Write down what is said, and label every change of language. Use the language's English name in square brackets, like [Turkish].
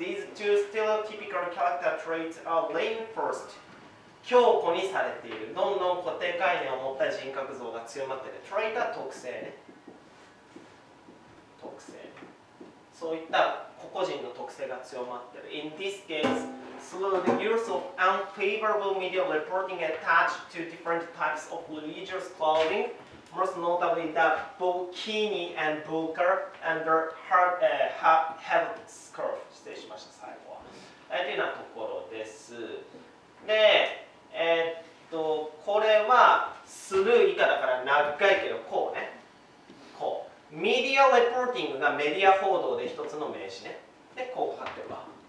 [English] These two stereotypical character traits are reinforced、 [Japanese] 強固にされている、どんどん固定概念を持った人格像が強まっている。 trait は特性ね、特性、そういった個々人の特性が強まっている。 [English] In this case, through the use of unfavorable media reporting attached to different types of religious clothingMost notably the bikini and burqa under head scarf. [Japanese] 失礼しました、最後は。というようなところです。で、これはスルー以下だから長いけど、こうね。こう。Media reporting がメディア報道で一つの名詞ね。で、こう書けば。